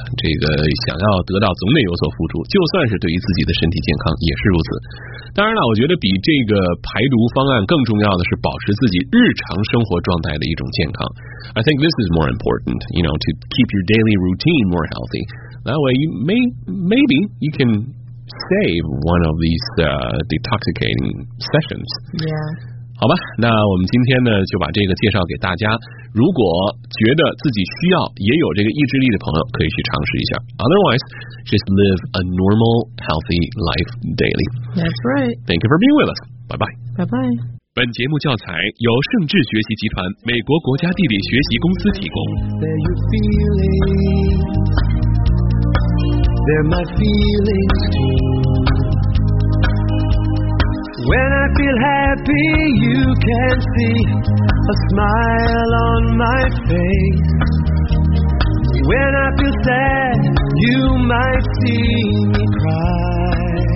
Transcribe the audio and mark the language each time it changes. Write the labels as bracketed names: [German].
[Chinese] 这个想要得到，总得有所付出，就算是对于自己的身体健康也是如此。当然了，我觉得比这个排毒方案更重要的是保持自己日常生活状态的一种健康。 [English] I think this is more important, you know, to keep your daily routine more healthy. That way, maybe you can save one of these detoxicating sessions. Yeah. [Chinese] 好吧，那我们今天呢就把这个介绍给大家，如果觉得自己需要也有这个意志力的朋友可以去尝试一下。 [English] Otherwise, just live a normal, healthy life daily. That's right. Thank you for being with us. Bye-bye. Bye-bye. [Chinese] 本节目教材由盛智学习集团美国国家地理学习公司提供。 [English] They're your feelings. They're my feelings too. When I feel happy, you can see a smile on my face. When I feel sad, you might see me cry.